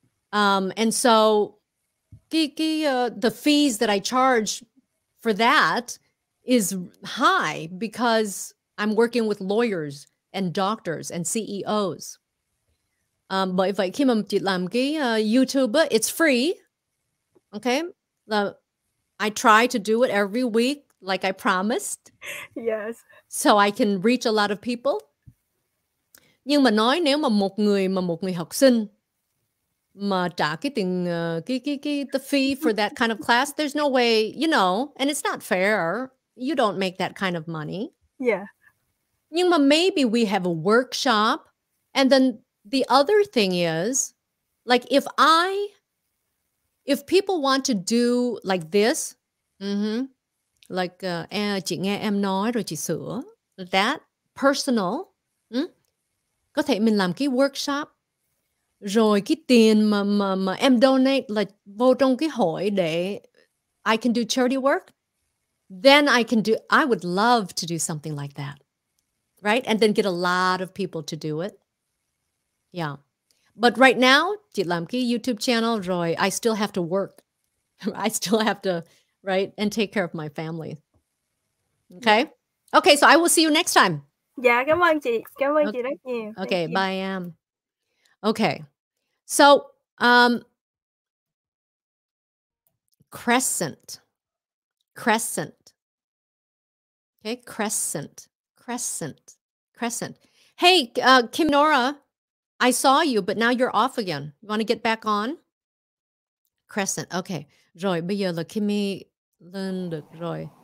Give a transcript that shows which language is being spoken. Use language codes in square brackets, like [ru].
[en] And so, the fees that I charge for that is high because I'm working with lawyers and doctors and CEOs. [vi] Bởi vậy khi mà chị làm cái YouTube, [en] it's free. Okay? I try to do it every week like I promised. Yes. So I can reach a lot of people. [vi] Nhưng mà nói nếu mà một người học sinh mà trả cái tiền [en] the fee for that kind of class, there's no way, you know, and it's not fair. You don't make that kind of money. Yeah. [vi] Nhưng mà [en] maybe we have a workshop. And then the other thing is, like, if people want to do like this, mm-hmm, like, [vi] chị nghe em nói rồi chị sửa, [en] that personal, [vi] có thể mình làm cái workshop, rồi cái tiền mà em donate là vô trong cái hội để [en] I can do charity work. Then I would love to do something like that, right? And then get a lot of people to do it. Yeah. But right now, [vi] chị làm cái YouTube channel rồi, [en] I still have to work. I still have to, right, and take care of my family. Okay? Okay, so I will see you next time. [vi] Dạ, cảm ơn chị. Cảm ơn chị rất nhiều. [en] Okay, bye, Em. Okay. So, crescent. Crescent. Okay, crescent, crescent, crescent. Hey, Kim Nora, I saw you, but now you're off again. You want to get back on? Crescent, okay. [vi] Rồi, bây giờ là Kimmy lên được rồi.